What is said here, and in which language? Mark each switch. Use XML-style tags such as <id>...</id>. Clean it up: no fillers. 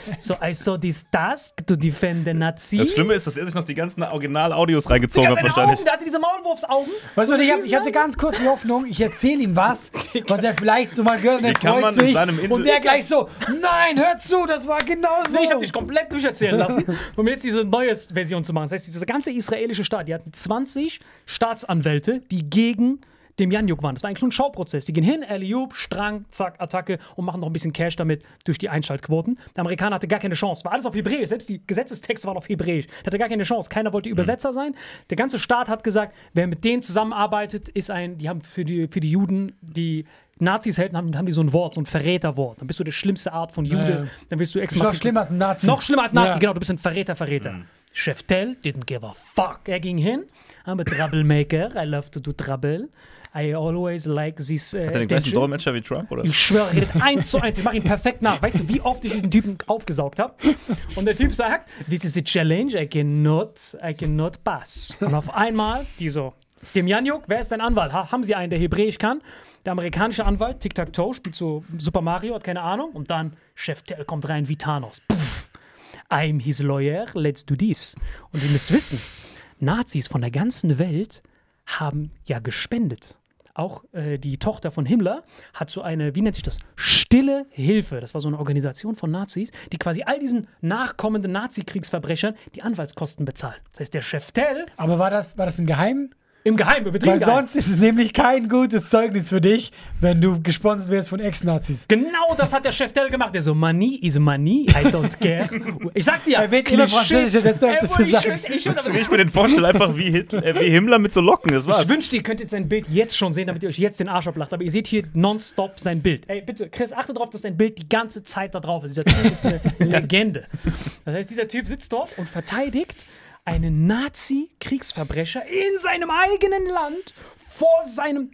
<en>So, I saw this task to defend the Nazis.</en> <de>Das Schlimme ist, dass er sich noch die ganzen Original-Audios reingezogen hat wahrscheinlich. Augen, der hatte diese Maulwurfsaugen. Weißt du, so, ich hatte ganz kurz die Hoffnung, ich erzähle ihm was, was er vielleicht so mal gehört, der freut sich. Und der gleich so, nein, hör zu, das war genau so. Nee, ich hab dich komplett durcherzählen lassen, um jetzt diese neue Version zu machen. Das heißt, dieser ganze israelische Staat, die hatten 20 Staatsanwälte, die gegen dem Janjuk waren. Das war eigentlich nur ein Schauprozess. Die gehen hin, Alley-oop, Strang, zack, Attacke und machen noch ein bisschen Cash damit durch die Einschaltquoten. Der Amerikaner hatte gar keine Chance. War alles auf Hebräisch. Selbst die Gesetzestexte waren auf Hebräisch. Der hatte gar keine Chance. Keiner wollte Übersetzer sein. Der ganze Staat hat gesagt, wer mit denen zusammenarbeitet, ist ein, die haben für die Juden, die Nazis Helden haben, haben die so ein Wort, so ein Verräterwort. Dann bist du die schlimmste Art von Jude. Ja, ja. Dann bist du noch schlimmer als ein Nazi. Noch schlimmer als Nazi, ja. Genau. Du bist ein Verräter, Verräter. Mhm. Cheftel</de> <en>didn't give a fuck.</en> <de>Er ging hin.</de> <en>I'm a troublemaker. I love to do trouble. I always like this.</en> <de>Hat er den gleichen Dolmetscher wie Trump, oder? Ich schwöre, redet 1:1. Ich mache ihn perfekt nach. Weißt du, wie oft ich diesen Typen aufgesaugt habe? Und der Typ sagt,</de> <en>this is a challenge. I cannot pass.</en> <de>Und auf einmal, die so, Demjanjuk, wer ist dein Anwalt? Haben Sie einen, der Hebräisch kann? Der amerikanische Anwalt, Tic-Tac-Toe, spielt so Super Mario, hat keine Ahnung. Und dann Cheftel kommt rein wie Thanos. Puff.</de> <en>I'm his lawyer, let's do this.</en> <de>Und ihr müsst wissen, Nazis von der ganzen Welt haben ja gespendet. Auch die Tochter von Himmler hat so eine, wie nennt sich das, Stille Hilfe. Das war so eine Organisation von Nazis, die quasi all diesen nachkommenden Nazi-Kriegsverbrechern die Anwaltskosten bezahlt. Das heißt, der Cheftel. Aber war das im Geheimen? Im Geheimen, im Betrieb. Weil sonst ist es nämlich kein gutes Zeugnis für dich, wenn du gesponsert wärst von Ex-Nazis. Genau das hat der Cheftel gemacht. Der so,</de> <en>money is money, I don't care.</en> <de>Ich sag dir, er wird immer französischer, desto öfter du sagst. Ich mir den Vorstell einfach wie Hitler, wie Himmler mit so Locken, das war's. Ich wünschte, ihr könntet sein Bild jetzt schon sehen, damit ihr euch jetzt den Arsch ablacht. Aber ihr seht hier nonstop sein Bild. Ey, bitte, Chris, achte darauf, dass dein Bild die ganze Zeit da drauf ist. Dieser Typ ist eine Legende. Das heißt, dieser Typ sitzt dort und verteidigt einen Nazi-Kriegsverbrecher in seinem eigenen Land vor seinem.</de>